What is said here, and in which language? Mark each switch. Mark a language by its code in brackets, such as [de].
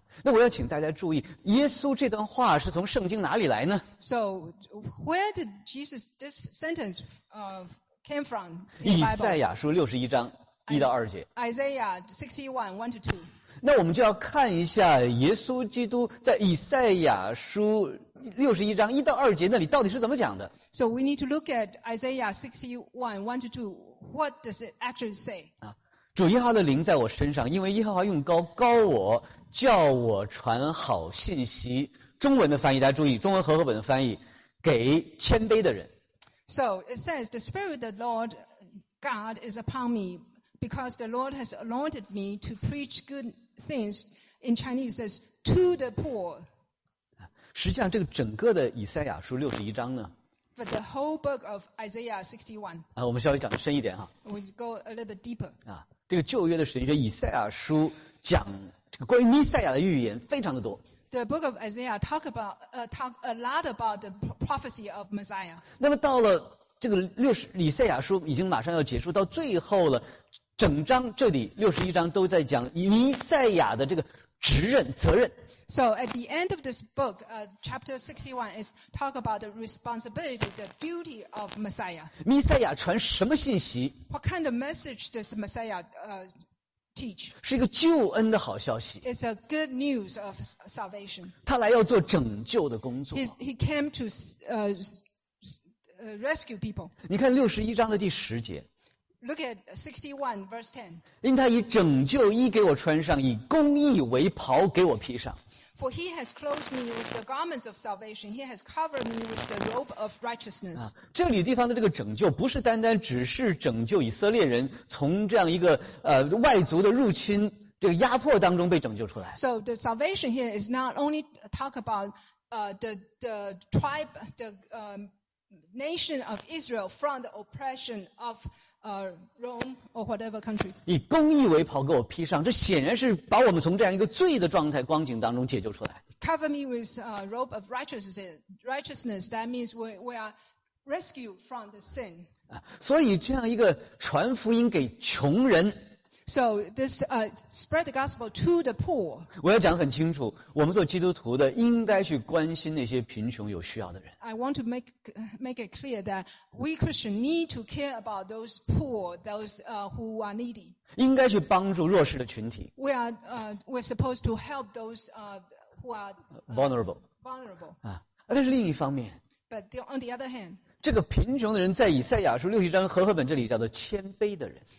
[zh] 那我要请大家注意，耶稣这段话是从圣经哪里来呢 [en] ？So where did Jesus this sentence came from? [zh] 以赛亚书61:1-2。 [en] Isaiah 61:1-2。 [zh] 那我们就要看一下耶稣基督在以赛亚书61:1-2那里到底是怎么讲的 [en] ？So we need to look at Isaiah 61:1-2. What does it actually say? [zh] 主耶和华的灵在我身上，因为耶和华用膏膏我，叫我传好信息。中文的翻译，大家注意，中文和合本的翻译，给谦卑的人。 [en] So it says, the Spirit of the Lord God is upon me, because the Lord has anointed me to preach good things. In Chinese, says to the poor. [zh] 实际上，这个整个的以赛亚书61呢？ [en] But the whole book of Isaiah 61. [zh] 我们稍微讲深一点哈。 [en] We go a little bit deeper. [zh] 这个旧约的神学以赛亚书讲这个关于弥赛亚的预言非常的多。 [en] The book of Isaiah talk a lot about the prophecy of Messiah. [zh] 那么到了这个以赛亚书已经马上要结束，到最后了，整章这里61都在讲弥赛亚的这个职任责任。 [en] So at the end of this book, chapter 61 is talk about the responsibility, the duty of Messiah. [zh] 弥赛亚传什么信息 [en] ？What kind of message does Messiah teach? [zh] 是一个救恩的好消息。 [en] It's a good news of salvation. [zh] 他来要做拯救的工作。 [en] He came to rescue people. [zh] 你看61的第十节。 [en] Look at 61:10. [zh] 因他以拯救衣给我穿上，以公义为袍给我披上。 [en] For he has clothed me with the garments of salvation. He has covered me with the robe of righteousness. [zh] 这里地方的这个拯救不是单单只是拯救以色列人从这样一个外族的入侵这个压迫当中被拯救出来。 [en] So the salvation here is not only talk about the nation of Israel from the oppression of Rome or whatever country. [zh] 以公义为袍给我披上，这显然是把我们从这样一个罪的状态光景当中解救出来。 [en] Cover me with a robe of righteousness. That means we are rescued from the sin. [zh] 所以这样一个传福音给穷人。 [en] So this spread the gospel to the poor. [zh] 我要讲很清楚，我们做基督徒的应该去关心那些贫穷有需要的人。 [en] I want to make it clear that we Christians need to care about those poor, those who are needy. [zh] 应该去帮助弱势的群体。 [en] We're supposed to help those who are vulnerable. Vulnerable. [zh] 但是另一方面 [en] ，But on the other hand. [zh] 这个贫穷的人在以赛亚书61和合本这里叫做谦卑的人。